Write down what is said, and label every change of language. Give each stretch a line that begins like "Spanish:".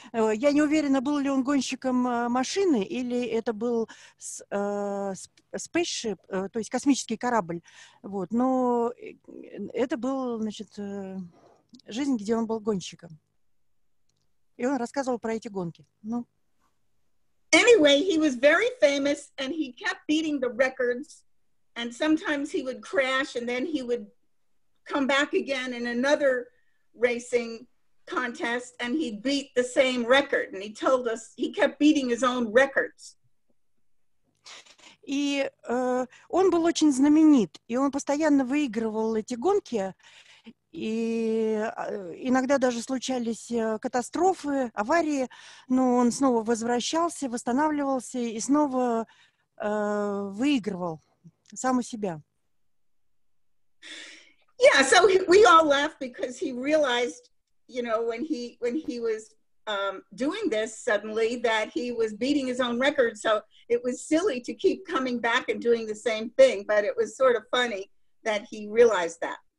Russian: Я не уверена, был ли он гонщиком машины, или это был spaceship, то есть космический корабль. Вот. Но это был, значит, жизнь, где он был гонщиком. И он рассказывал про эти гонки. Ну,
English: anyway, he was very famous, and he kept beating the records, and sometimes he would crash, and then he would come back again in another racing contest, and he'd beat the same record, and he told us he kept beating his own records.
Russian: И он был очень знаменит, и он постоянно выигрывал эти гонки, и иногда даже случались катастрофы, аварии, но он снова возвращался, восстанавливался и снова выигрывал сам у себя.
English: Yeah, so we all laughed because he realized, you know, when he was doing this suddenly that he was beating his own record. So it was silly to keep coming back and doing the same thing, but it was sort of funny that he realized that.